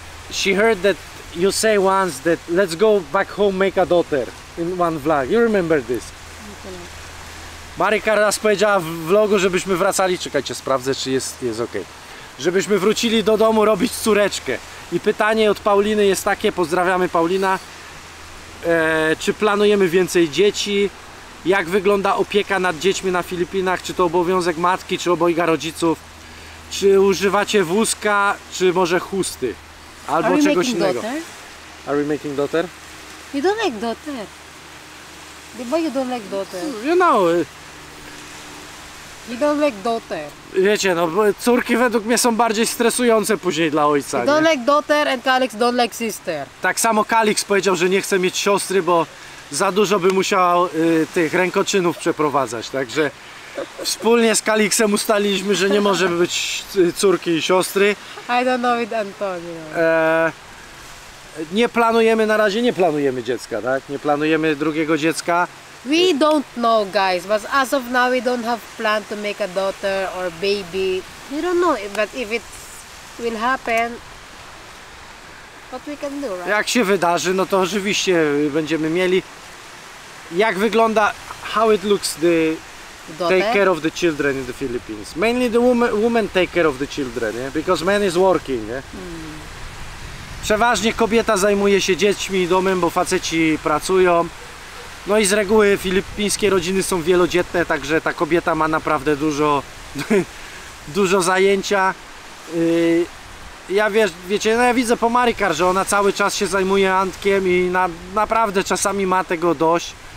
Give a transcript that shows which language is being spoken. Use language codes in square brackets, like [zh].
[en] She heard that you say once that let's go back home make a daughter in one vlog. You remember this? [pl] Marika raz powiedziała w vlogu, żebyśmy wracali. Czekajcie, sprawdzę, czy jest ok. Żebyśmy wrócili do domu robić córeczkę. I pytanie od Pauliny jest takie, pozdrawiamy Paulina. Czy planujemy więcej dzieci? Jak wygląda opieka nad dziećmi na Filipinach? Czy to obowiązek matki, czy obojga rodziców? Czy używacie wózka, czy może chusty? Albo [en] are we [pl] czegoś [en] making [pl] innego. [en] Daughter? Are we making daughter? You don't like daughter. Why you don't like daughter? You know. You don't like daughter. [pl] Wiecie, no córki według mnie są bardziej stresujące później dla ojca. [en] You don't [pl] nie? [en] like daughter and Calix don't like sister. Tak samo Calix powiedział, że nie chce mieć siostry, bo za dużo by musiał tych rękoczynów przeprowadzać. Także wspólnie z Calixem ustaliliśmy, że nie może być córki i siostry. I don't know with Antonio. [pl] Nie planujemy na razie, nie planujemy dziecka, tak? Nie planujemy drugiego dziecka. [en] We don't know, guys, but as of now, we don't have plan to make a daughter or baby. We don't know, but if it will happen, what we can do, right? [pl] Jak się wydarzy, no to oczywiście będziemy mieli. Jak wygląda, [en] how it looks the daughter? Take care of the children in the Philippines? Mainly the woman take care of the children, yeah? Because man is working, yeah? Mm. [pl] Przeważnie kobieta zajmuje się dziećmi i domem, bo faceci pracują. No i z reguły filipińskie rodziny są wielodzietne, także ta kobieta ma naprawdę dużo zajęcia. Ja widzę po Marikar, że ona cały czas się zajmuje Antkiem i naprawdę czasami ma tego dość.